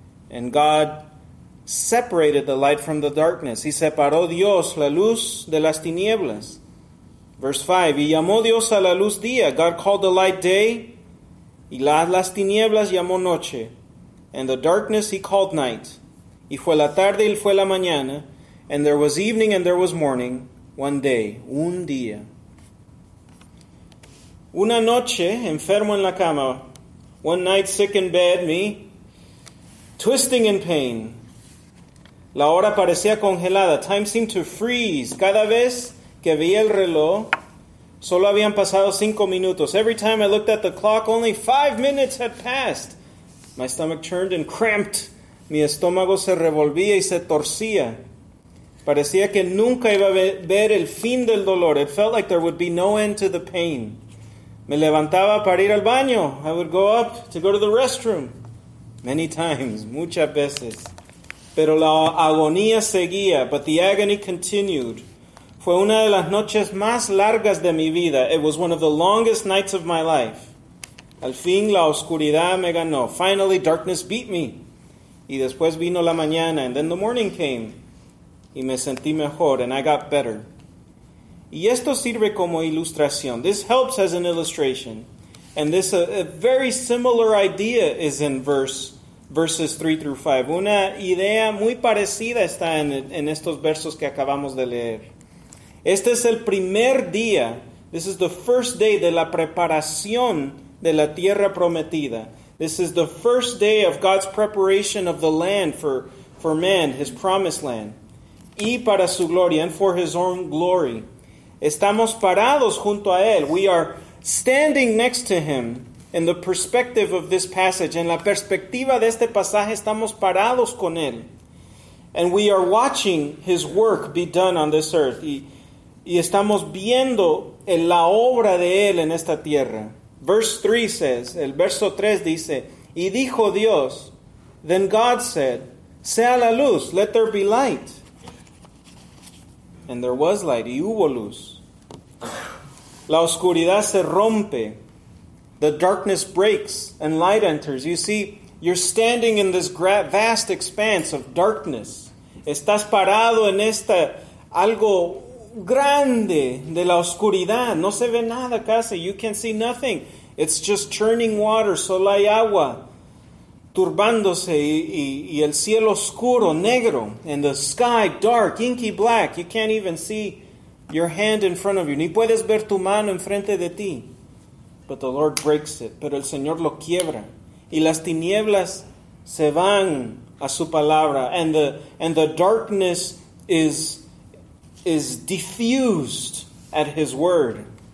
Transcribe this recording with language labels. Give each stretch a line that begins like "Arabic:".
English: And God separated the light from the darkness.
Spanish: Y separó Dios la luz de las tinieblas.
English: Verse 5.
Spanish: Y llamó Dios a la luz día.
English: God called the light day.
Spanish: Y las tinieblas llamó noche.
English: And the darkness he called night.
Spanish: Y fue la tarde y fue la mañana.
English: And there was evening and there was morning. One day.
Spanish: Un día. Una noche, enfermo en la cama.
English: One night, sick in bed, me. Twisting in pain.
Spanish: La hora parecía congelada.
English: Time seemed to freeze.
Spanish: Cada vez que vi el reloj, solo habían pasado 5 minutos.
English: Every time I looked at the clock, only 5 minutes had passed. My stomach churned and cramped.
Spanish: Mi estómago se revolvía y se torcía. Parecía que nunca iba a ver el fin del dolor.
English: It felt like there would be no end to the pain.
Spanish: Me levantaba para ir al baño.
English: I would go up to go to the restroom. Many times,
Spanish: muchas veces. Pero la agonía seguía,
English: but the agony continued.
Spanish: Fue una de las noches más largas de mi vida.
English: It was one of the longest nights of my life.
Spanish: Al fin, la oscuridad me ganó.
English: Finally, darkness beat me.
Spanish: Y después vino la mañana,
English: and then the morning came.
Spanish: Y me sentí mejor,
English: and I got better.
Spanish: Y esto sirve como ilustración.
English: This helps as an illustration. And this, a very similar idea is in verses 3 through 5.
Spanish: Una idea muy parecida está en estos versos que acabamos de leer. Este es el primer día.
English: This is the first day
Spanish: de la preparación de la tierra prometida.
English: This is the first day of God's preparation of the land for for man, his promised land,
Spanish: y para su gloria,
English: and for his own glory.
Spanish: Estamos parados junto a él.
English: We are standing next to him in the perspective of this passage.
Spanish: En la perspectiva de este pasaje, estamos parados con él.
English: And we are watching his work be done on this earth.
Spanish: Y estamos viendo en la obra de él en esta tierra.
English: Verse 3 says,
Spanish: el verso 3 dice, y dijo Dios,
English: then God said,
Spanish: sea la luz,
English: let there be light. And there was light,
Spanish: y hubo luz. La oscuridad se rompe.
English: The darkness breaks and light enters. You see, you're standing in this vast expanse of darkness.
Spanish: Estás parado en esta algo grande de la oscuridad. No se ve nada casi.
English: You can see nothing. It's just churning water.
Spanish: Solo hay agua turbándose y el cielo oscuro, negro.
English: And the sky dark, inky black. You can't even see your hand in front of you.
Spanish: Ni puedes ver tu mano enfrente de ti.
English: But the Lord breaks it.
Spanish: Pero el Señor lo quiebra. Y las tinieblas se van a su palabra.
English: And the darkness is diffused at his word.